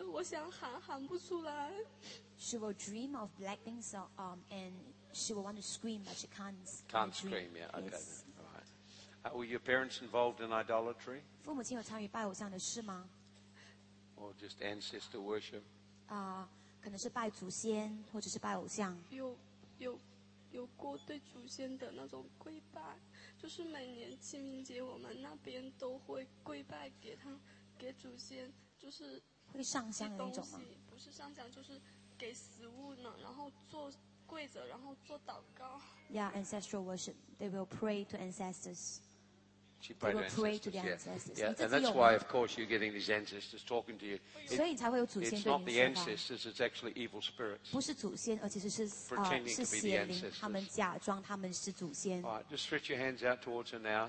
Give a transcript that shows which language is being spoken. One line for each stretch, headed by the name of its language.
Chinese: 我晚上有做梦，梦到我看到一个黑色的东西，然后有做梦，梦到就是我想喊不出来。
English: She will dream of black things, and she will want to scream, but she can't. Can't scream, yeah. Okay, yes. All right. Were your parents involved in idolatry?
Chinese: 父母亲有参与拜偶像的事吗？
English: Or just ancestor worship?
Chinese: 可能是拜祖先，或者是拜偶像。有。有过对祖先的那种跪拜，就是每年清明节我们那边都会跪拜给他，给祖先，就是会上香的那种吗？不是上香，就是给食物呢，然后做跪着，然后做祷告。
English: Yeah, ancestral worship. They will pray to ancestors. She prayed to ancestors. Yeah. Yeah. And that's why, of course, you're getting these ancestors talking to you. It's not the ancestors, it's actually evil spirits.
Chinese: 不是祖先, 而且是
English: pretending to be the ancestors. All right, just stretch your hands out towards her now.